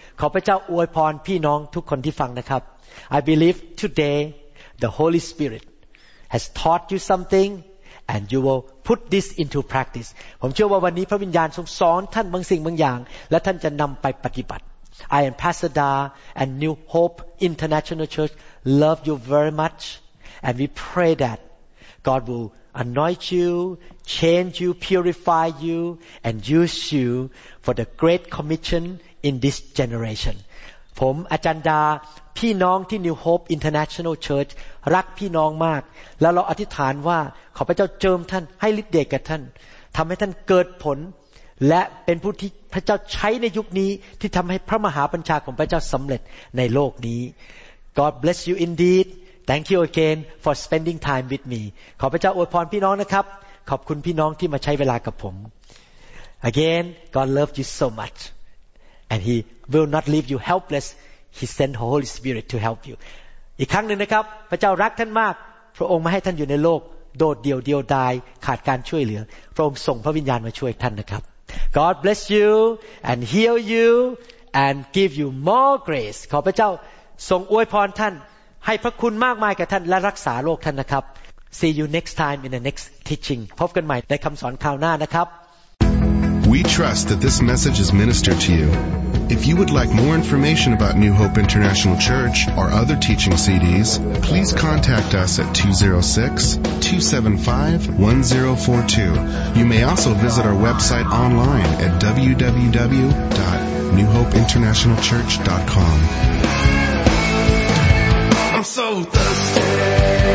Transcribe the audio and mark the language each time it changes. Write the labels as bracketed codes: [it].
[th] ขอพระเจ้าอวยพรพี่น้องทุกคนที่ฟังนะครับ [en] I believe today the Holy Spirit has taught you something and you will put this into practice. [th] ผมเชื่อว่าวันนี้พระวิญญาณทรงสอนท่านบางสิ่งบางอย่างและท่านจะนำไปปฏิบัติ [en] I am Pastor Da and New Hope International Church love you very much. And we pray that God will anoint you, change you, purify you, and use you for the great commission in this generation. [th] ผมอาจารย์ดาพี่น้องที่ New Hope International Church รักพี่น้องมากแล้วเราอธิษฐานว่าขอพระเจ้าเจิมท่านให้ฤทธิ์เดช กับท่านทำให้ท่านเกิดผลและเป็นผู้ที่พระเจ้าใช้ในยุคนี้ที่ทำให้พระมหาบัญชาของพระเจ้าสำเร็จในโลกนี้ [en] God bless you indeed thank you again for spending time with me [th] ขอพระเจ้าอวยพรพี่น้องนะครับขอบคุณพี่น้องที่มาใช้เวลากับผม [en] again God loves you so muchAnd he will not leave you helpless. He sent the Holy Spirit to help you. [th] อีกครั้งหนึ่งนะครับพระเจ้ารักท่านมากพระองค์ไม่ให้ท่านอยู่ในโลกโดดเดี่ยวเดียวดายขาดการช่วยเหลือพระองค์ส่งพระวิญญาณมาช่วยท่านนะครับ [en] God bless you and heal you and give you more grace. [th] ขอพระเจ้าทรงอวยพรท่านให้พระคุณมากมายกับท่านและรักษาโรคท่านนะครับ [en] See you next time in the next teaching. [th] พบกันใหม่ในคำสอนคราวหน้านะครับ [en] We trust that this message is ministered to you. If you would like more information about New Hope International Church or other teaching CDs, please contact us at 206-275-1042. You may also visit our website online at www.newhopeinternationalchurch.com. I'm so thirsty.